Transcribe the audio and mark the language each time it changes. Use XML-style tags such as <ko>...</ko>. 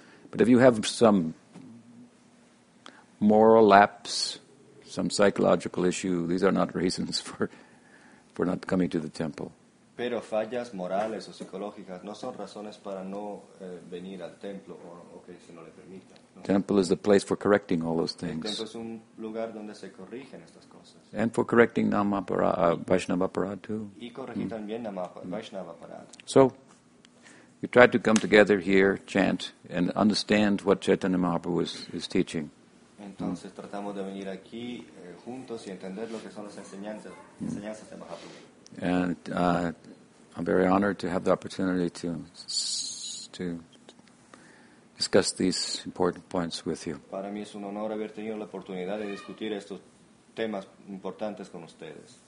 <en>But if you have some moral lapse, some psychological issue, these are not reasons for not coming to the temple.</en> <es>Pero fallas morales o psicológicas no son razones para no venir al templo o que se no le permita. No.</es> <en>Temple is the place for correcting all those things.</en> <es>El templo es un lugar donde se corrigen estas cosas.</es> <en>And for correcting Vaishnava Parad too.</en> <es>Y corregir también Vaishnava Parad.</es> <en>So, we try to come together here, chant, and understand what Chaitanya Mahaprabhu is teaching.</en> <es>Entonces tratamos de venir aquí juntos y entender lo que son las enseñanzas de Mahaprabhu.</es> <en>And I'm very honored to have the opportunity to discuss these important points with you.</en> <es>Para mí es un honor haber tenido la oportunidad de discutir estos temas importantes con ustedes.</es>